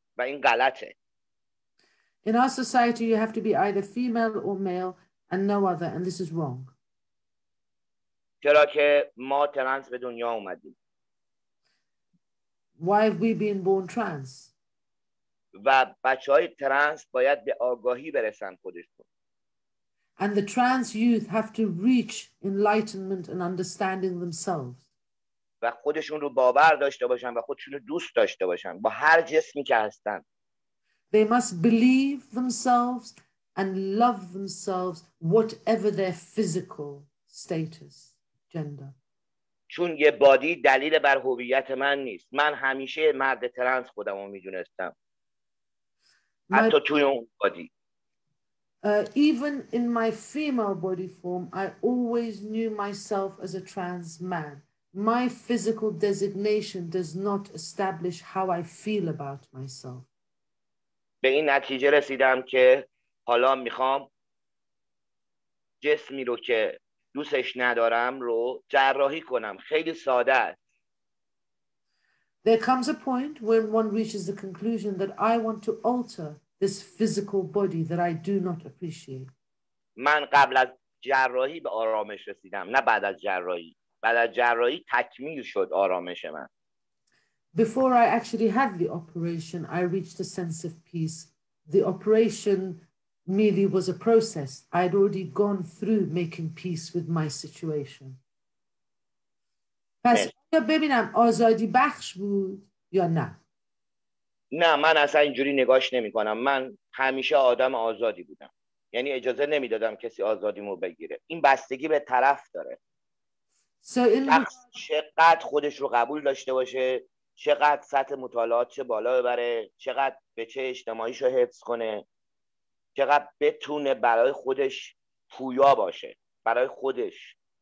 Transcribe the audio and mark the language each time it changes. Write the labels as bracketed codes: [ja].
[fa] و این غلطه. [en] In our society, you have to be either female or male and no other, and this is wrong. [fa] چرا که ما ترنس به دنیا اومدیم. [en] Why have we been born trans? [fa] و بچه های ترنس باید به آگاهی برسن خودشون. [en] And the trans youth have to reach enlightenment and understanding themselves. [fa] و خودشون رو باور داشته باشن و خودشون رو دوست داشته باشن با هر جسمی که هستن. [en] They must believe themselves and love themselves, whatever their physical status, gender. [fa] چون یه بادی دلیل بر هویت من نیست. من همیشه مرد ترنس خودم رو میدونستم. حتی توی اون بادی. [en] Even in my female body form, I always knew myself as a trans man. My physical designation does not establish how I feel about myself. [fa] به این نتیجه رسیدم که حالا میخوام جسمی رو که دوستش ندارم رو جراحی کنم. خیلی ساده است. [en] There comes a point when one reaches the conclusion that I want to alter this physical body that I do not appreciate. [fa] من قبل از جراحی به آرامش رسیدم، نه بعد از جراحی. بعد از جراحی تکمیل شد آرامش من. [en] Before I actually had the operation, I reached a sense of peace. The operation merely was a process. I had already gone through making peace with my situation. [fa] پس ببینم آزادی بخش بود یا نه؟ نه من اصلا اینجوری نگاش نمی کنم. من همیشه آدم آزادی بودم. یعنی اجازه نمی دادم کسی آزادیمو بگیره. این بستگی به طرف داره. شخص چقدر خودش رو قبول داشته باشه، چقدر سطح مطالعات چه بالا ببره، چقدر به چه اجتماعیش رو حفظ کنه، چقدر بتونه برای خودش پویا باشه، برای خودش.